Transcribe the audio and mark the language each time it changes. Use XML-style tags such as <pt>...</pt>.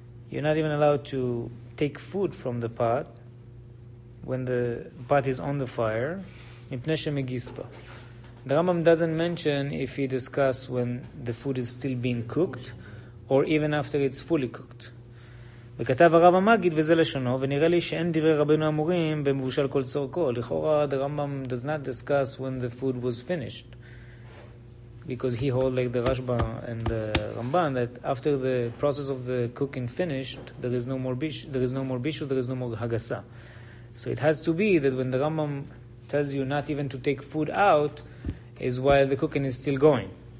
<en>You're not even allowed to take food from the pot, when the pot is on the fire, mipnei shemegisba. The Rambam doesn't mention if he discuss when the food is still being cooked, or even after it's fully cooked.</en> <he>וכתב הרב המגיד וזה לשונו, ונראה לי שאין דברי רבנו אמורים במבושל כל צורכו.</he> <en>לכאורה, the Rambam does not discuss when the food was finished, because he hold like the Rashba and the Ramban that after the process of the cooking finished, there is no more hagasa. So it has to be that when the Rambam tells you not even to take food out is while the cooking is still going.</en>